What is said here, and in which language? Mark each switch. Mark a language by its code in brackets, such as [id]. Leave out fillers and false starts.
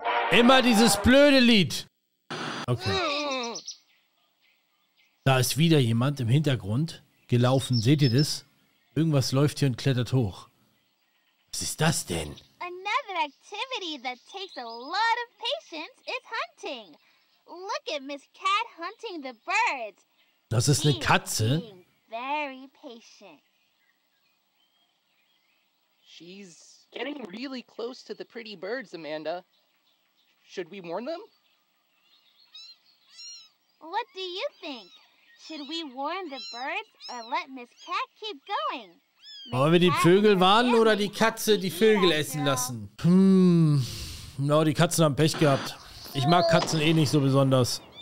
[de] Immer dieses blöde Lied. Okay. Da ist wieder jemand im Hintergrund gelaufen. Seht ihr das? Irgendwas läuft hier und klettert hoch. Was ist das denn? [en] Another activity that takes a lot of patience is hunting. Look at Miss Cat hunting the birds. [de] Das ist eine Katze. [en] Very patient. She's getting really close to the pretty birds, Amanda. Should we warn them? What do you think? Should we warn the birds or let Miss Cat keep going? [de] Wollen wir die Vögel warnen oder die Katze die Vögel essen lassen? Na, die Katzen haben Pech gehabt. Ich mag Katzen eh nicht so besonders.